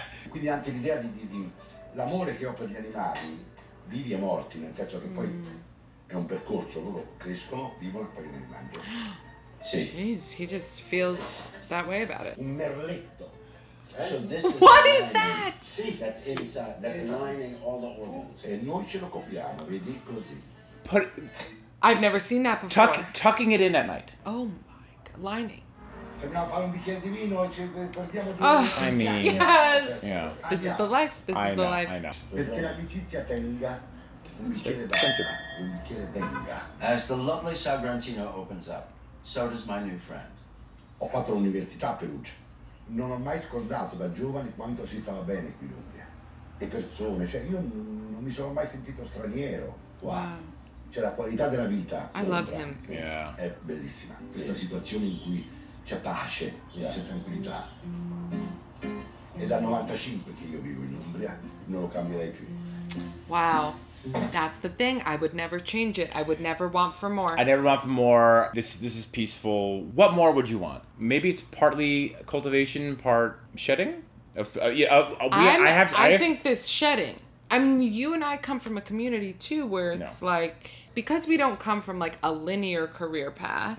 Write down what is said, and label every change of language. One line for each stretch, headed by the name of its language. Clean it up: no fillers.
Italian: Quindi anche l'idea di l'amore che ho per gli animali, vivi e morti, nel senso che poi è un percorso, loro crescono, vivono e poi ne rimangono. Sì.
English: Jeez, he just feels that way about it.
Italian: Un merletto.
English: So this is what is that? Sì, that's inside. That's lining all the organs.
Italian: E noi ce lo copiamo, vedi, così.
English: Put I've never seen that before. Tucking it in at night. Oh my God. Lining. Oh, I mean, yes. Yeah. This is the life. This is the life. I know. As the lovely Sagrantino opens up, so does my new friend.
Italian: Ho fatto l'università a Perugia. Non ho mai scordato da giovane quanto si stava bene qui in Umbria. Le persone, cioè io non mi sono mai sentito straniero qua. C'è la qualità della vita.
English: I love him. Yeah.
Italian: È bellissima. Questa situazione in cui c'è pace, c'è tranquillità. È dal 95 che io vivo in Umbria, non lo cambierei più.
English: Wow. That's the thing. I would never change it. I would never want for more. I never want for more. This is peaceful. What more would you want? Maybe it's partly cultivation, part shedding? I think this shedding. I mean, you and I come from a community, too, where it's like, because we don't come from, like, a linear career path.